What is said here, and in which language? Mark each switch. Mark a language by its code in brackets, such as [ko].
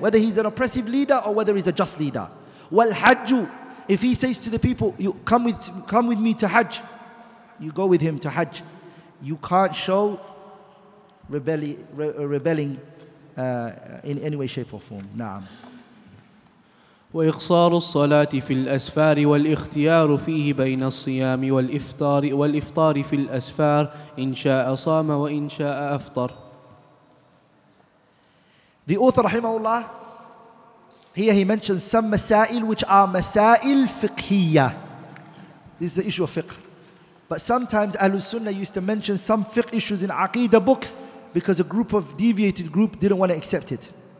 [en] Whether he's an oppressive leader or whether he's a just leader. [ar] وَالْحَجُّ. [en] If he says to the people, you come with me to hajj, you go with him to hajj, you can't show rebelling in any way, shape or form. [ar] Naam. وإقصار الصلاة في الأسفار والاختيار فيه بين الصيام والإفطار والإفطار في الأسفار إن شاء صام وإن شاء أفطر. [en] The author, rahimahullah, here he mentions some masail which are masail fiqhiyya. This is the issue of fiqh. But sometimes Ahlul Sunnah used to mention some fiqh issues in Aqidah books because a group of deviated group didn't want to accept it.